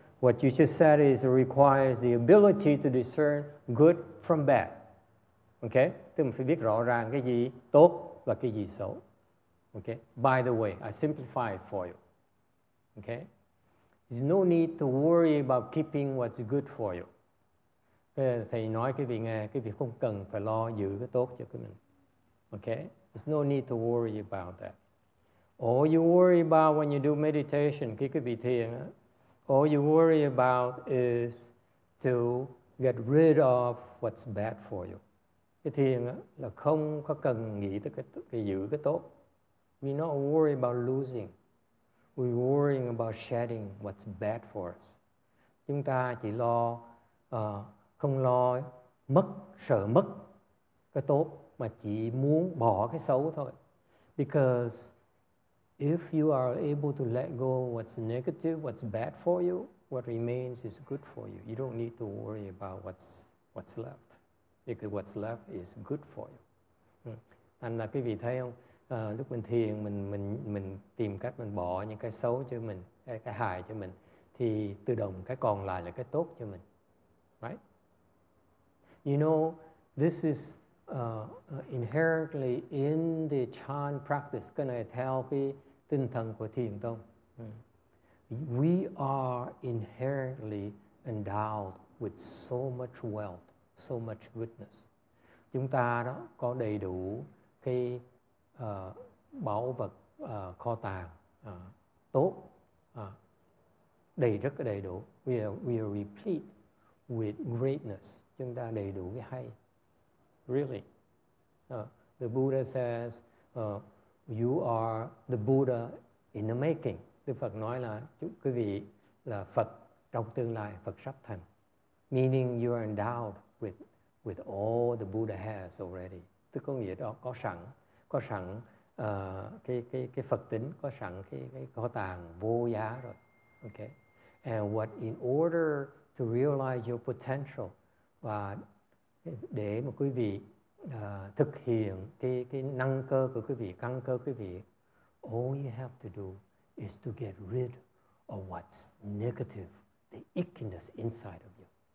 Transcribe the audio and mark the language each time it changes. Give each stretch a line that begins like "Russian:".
English: What you just said is it requires the ability to discern good from bad. Okay?
Vietnamese: Tức mình phải biết rõ ràng cái gì tốt và cái gì xấu.
English: Okay? By the way, I simplify it for you. Okay? There's no need to worry about keeping what's good for you.
Vietnamese: Thầy nói cái vị nghe, cái vị không cần phải lo giữ cái tốt cho cái mình.
English: Okay? There's no need to worry about that. All you worry about when you do meditation,
Vietnamese: khi cái vị thiền á,
English: all you worry about is to get rid of what's bad for you.
Vietnamese: Cái thiền là không có cần nghĩ tới cái giữ cái tốt.
English: We not worry about losing. We worrying about shedding what's bad for us.
Vietnamese: Chúng ta chỉ lo không lo mất, sợ mất cái tốt mà chỉ muốn bỏ cái xấu thôi.
English: Because if you are able to let go what's negative, what's bad for you, what remains is good for you. You don't need to worry about what's left, because what's left is good for you.
Vietnamese: Anh là quý vị thấy không? Lúc mình thiền, mình tìm cách mình bỏ những cái xấu cho mình, cái hại cho mình, thì tự động cái còn lại là cái tốt cho mình.
English: Right? You know, this is inherently in the Chan practice, can I tell the
Vietnamese: tinh thần của thiền tông?
English: We are inherently endowed with so much wealth, so much goodness.
Vietnamese: Chúng ta đó có đầy đủ cái bảo vật kho tàng tốt, đầy rất đầy đủ.
English: We are replete with greatness.
Vietnamese: Chúng ta đầy đủ cái hay.
English: Really. The Buddha says, you are the Buddha in the making.
Vietnamese: Đức Phật nói là, quý vị là Phật trong tương lai, Phật sắp thành.
English: Meaning you are endowed with all the Buddha has already.
Vietnamese: Tức có nghĩa đó, có sẵn cái Phật tính, có sẵn cái kho tàng vô giá rồi. Okay.
English: And what in order to realize your potential, và
Vietnamese: để mà quý vị thực hiện cái năng cơ của quý vị, căn cơ của quý vị,
English: all you have to do is to get rid of what's negative, the ickiness inside of you.